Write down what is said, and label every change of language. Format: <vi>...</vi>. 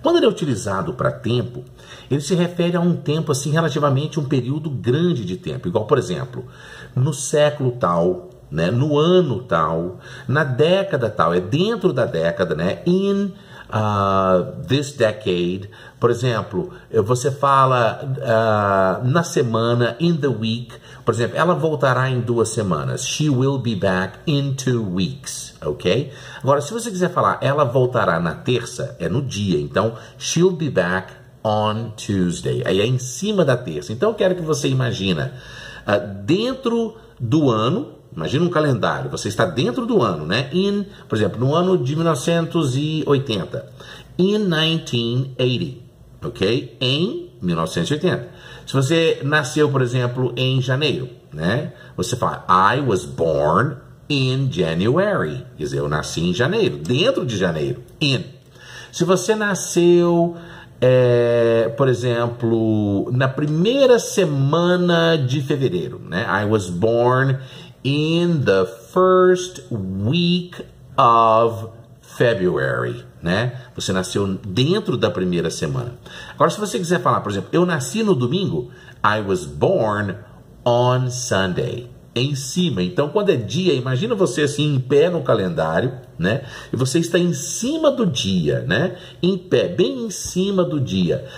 <pt>Quando ele é utilizado para tempo, ele se refere a um tempo assim relativamente um período grande de tempo, igual, por exemplo, no século tal, né, no ano tal, na década tal, é dentro da década, né?</pt> <en>In this decade,</en> <pt>por exemplo, você fala na semana,</pt> <en>in the week,</en> <pt>por exemplo, ela voltará em 2 semanas.</pt> <en>She will be back in 2 weeks, ok?</en> <pt>Agora, se você quiser falar, ela voltará na terça, é no dia, então,</pt> <en>she'll be back on Tuesday.</en> <pt>Aí é em cima da terça. Então, eu quero que você imagina dentro do ano. Imagina um calendário, você está dentro do ano, né? In, por exemplo, no ano de 1980.</pt> <en>In 1980, ok?</en> <pt>Em 1980. Se você nasceu, por exemplo, em janeiro, né? Você fala,</pt> <en>I was born in January.</en> <pt>Quer dizer, eu nasci em janeiro, dentro de janeiro. In. Se você nasceu, por exemplo, na primeira semana de fevereiro, né?</pt> <en>I was born in the first week of February, né?</en> <pt>Você nasceu dentro da primeira semana. Agora, se você quiser falar, por exemplo, eu nasci no domingo,</pt> <en>I was born on Sunday,</en> <pt>em cima. Então, quando é dia, imagina você assim em pé no calendário, né? E você está em cima do dia, né? Em pé, bem em cima do dia.</pt>